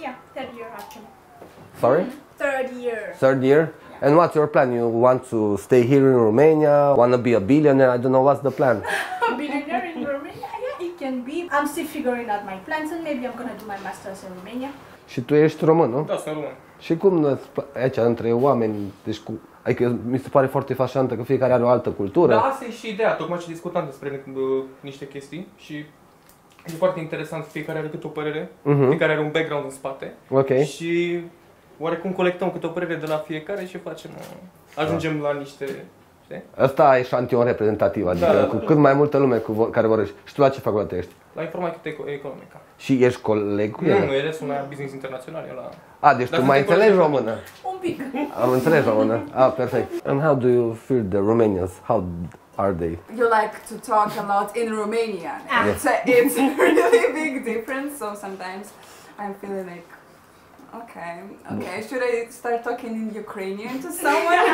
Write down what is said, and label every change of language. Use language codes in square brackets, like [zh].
[en] Yeah, third year, actually. Sorry? Third year. Third year? Yeah. And what's your plan? You want to stay here in Romania? Want to be a billionaire? I don't know, what's the plan? A billionaire in Romania? Yeah, it can be. I'm still figuring out my plans and maybe I'm gonna do my master's in Romania. [ro] Și tu ești român, nu? Da, sunt român. Și cum aici între oameni, deci cu, adică mi se pare foarte fascinantă că fiecare are o altă cultură. Da, asta e și ideea, tocmai ce discutam despre niște chestii și e foarte interesant, fiecare are câte o părere, fiecare are un background în spate. Ok. Și oarecum colectăm câte o părere de la fiecare și facem, ajungem la niște, știi? Asta e șantion reprezentativ, adică cu cât mai multă lume cu care vorbești. Și tu la ce facultate ești? La informatică economică. Și ești coleg cu el? Nu, el este un business internațional, eu la... A, deci tu mai înțelegi română? Un pic. Am înțeles română. Ah, perfect. [en] And how do you feel the Romanians? How are they? You like to talk a lot in Romanian. It's a really big difference, so sometimes I'm feeling like, okay, should I start talking in Ukrainian to someone?